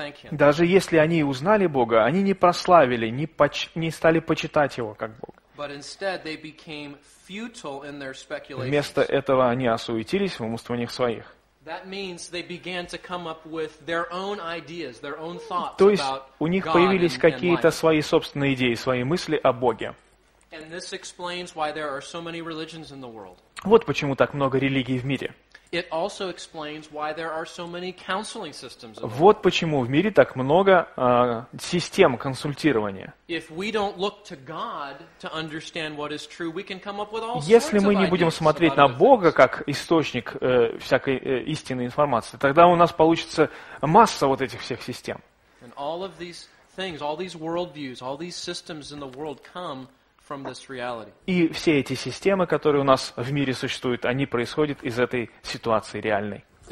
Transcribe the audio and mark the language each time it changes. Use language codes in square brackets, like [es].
[ru] Даже если они узнали Бога, они не прославили, не стали почитать Его как Бога. [en] But instead they became futile in their speculations. [ru] Вместо этого они осуетились в умствованиях своих. [en] That means they began to come up with their own ideas, their own thoughts. [ru] То есть у них появились какие-то свои собственные идеи, свои мысли о Боге. [en] And this explains why there are so many religions in the world. [ru] Вот почему так много религий в мире. [en] It also explains why there are so many counseling systems. [ru] Вот почему в мире так много систем консультирования. [en] If we don't look to God to understand what is true, we can come up with all sorts of ideas. [ru] Если мы не будем смотреть на Бога как источник всякой истинной информации, тогда у нас получится масса вот этих всех систем. [en] And all of these things, all these worldviews, all these systems in the world come. [ru] И все эти системы, которые у нас в мире существуют, они происходят из этой ситуации реальной.